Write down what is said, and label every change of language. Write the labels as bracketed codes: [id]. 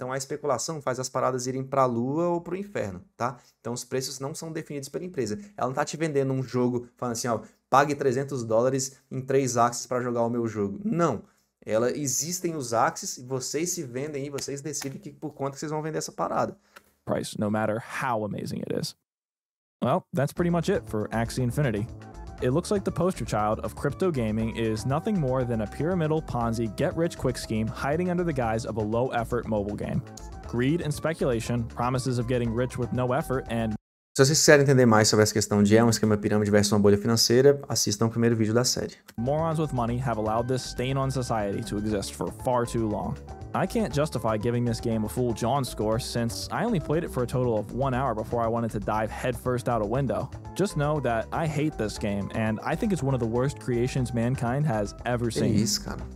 [pt] Então, a especulação faz as paradas irem para a lua ou para o inferno, tá? Então, os preços não são definidos pela empresa. Ela não está te vendendo um jogo falando assim, ó, pague 300 dólares em 3 Axies para jogar o meu jogo. Não. Existem os Axies, vocês se vendem e vocês decidem por quanto que vocês vão vender essa parada. [en] Price, no matter how amazing it is. Well, that's pretty much it for Axie Infinity. It looks like the poster child of crypto gaming is nothing more than a pyramidal Ponzi get-rich-quick scheme hiding under the guise of a low-effort mobile game. Greed and speculation, promises of getting rich with no effort, and... [pt] Se vocês quiserem entender mais sobre essa questão de um esquema pirâmide versus uma bolha financeira, assistam o primeiro vídeo da série. [en] Morons with money have allowed this stain on society to exist for far too long. I can't justify giving this game a full John score since I only played it for a total of 1 hour before I wanted to dive headfirst out a window. Just know that I hate this game, and I think it's one of the worst creations mankind has ever seen. [pt] Isso, cara.